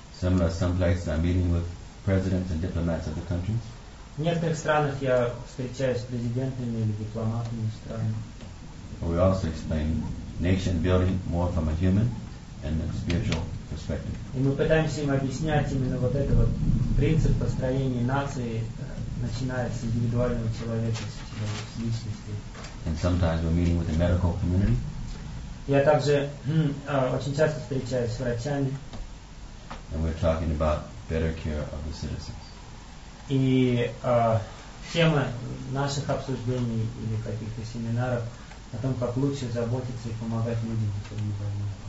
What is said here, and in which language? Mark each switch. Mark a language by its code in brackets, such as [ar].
[en] Similar, some places I'm meeting with presidents and diplomats of the countries. [ru] В некоторых странах я встречаюсь с президентами или дипломатами стран. [en] We also explain nation building more from a human and a spiritual perspective. [ru] И мы пытаемся им объяснять именно вот этот вот принцип построения нации, начиная с индивидуального человека, с личности. [en] And sometimes we're meeting with the medical community. [ru] Я также очень часто встречаюсь с врачами. [en] And we're talking about better care of the citizens. [ru] И тема наших обсуждений или каких-то семинаров о том, как лучше заботиться и помогать людям, которые не больны.